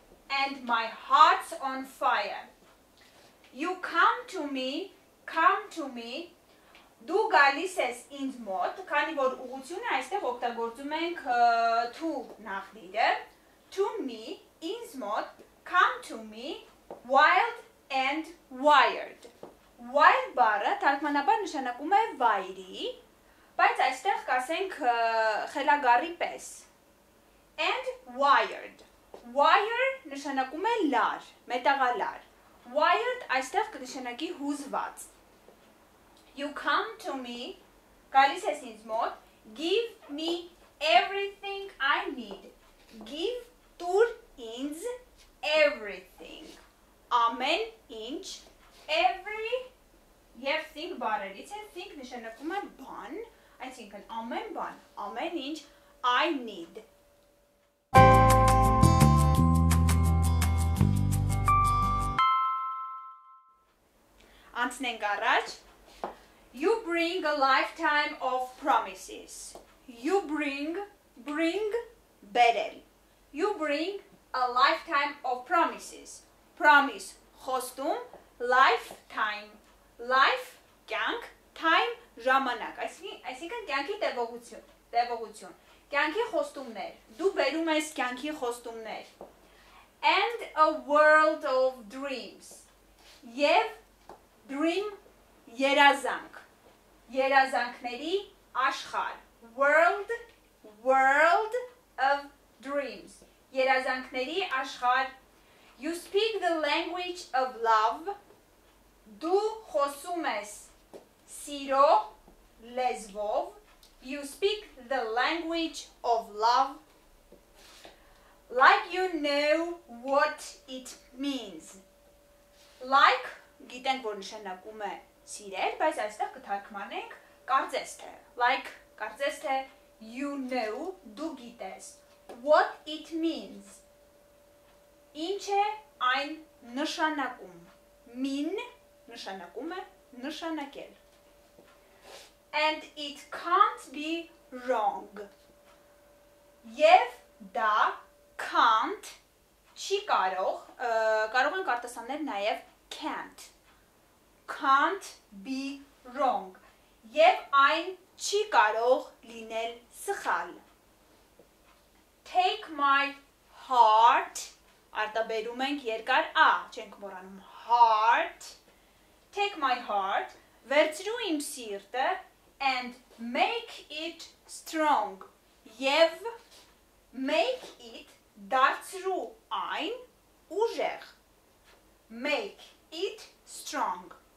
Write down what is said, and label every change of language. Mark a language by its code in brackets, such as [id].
[en] And my heart's on fire. You come to me, [hy] դու գալիս ես ինձ մոտ, քանի որ ուղությունը այստեղ օգտագործում ենք [en] to նախիրը, to me, [hy] ինձ մոտ, [en] come to me, wild and wired. [hy] Wild բառը թարգմանաբար նշանակում է վայրի, բայց այստեղ կասենք խելագարի պես. And wired. Wire նշանակում է լար, մետաղալար. [en] Wired [hy] այստեղ կնշանակի հուզված։ [en] You come to me, [hy] գալիս ես ինձ մոտ, [en] give me everything I need. Give tour ինձ everything. [hy] Ամեն ինչ, every, եւ think բառերից է, think նշանակում է բան, այսինքն ամեն բան, ամեն ինչ, [en] I need. [hy] Անցնենք առաջ. [en] You bring a lifetime of promises. You bring բերել. You bring a lifetime of promises. Promise խոստում, lifetime. [hy] Life կյանք, time ժամանակ, այսինքն կյանքի տևողություն, տևողություն։ Կյանքի խոստումներ, դու բերում ես կյանքի խոստումներ։ [en] And a world of dreams. [hy] Եվ dream երազանք, երազանքների աշխարհ. [en] World of dreams, [hy] երազանքների աշխարհ։ [en] You speak the language of love. [hy] Դու խոսում ես սիրո լեզվով. [en] You speak the language of love. Like you know what it means. [hy] Like, գիտենք, որ նշանակում է սիրել, բայց այստեղ կթարգմանենք կարծես թե, like, կարծես թե, [en] you know, [hy] դու գիտես, [en] what it means, [hy] ինչ է այն նշանակում, mean նշանակում է նշանակել. [en] And it can't be wrong. [hy] Եվ դա can't չի կարող, կարող ենք արտասանել նաև can't. [en] Can't be wrong. [hy] Եվ այն չի կարող լինել սխալ. [en] Take my heart. [hy] Արտաբերում ենք երկար A, չենք մոռանում heart. [en] Take my heart. [hy] Վերցրու իմ սիրտը [en] and make it strong. [hy] Եվ [en] make it, [hy] դարձրու այն ուժեղ. [en] Make it strong.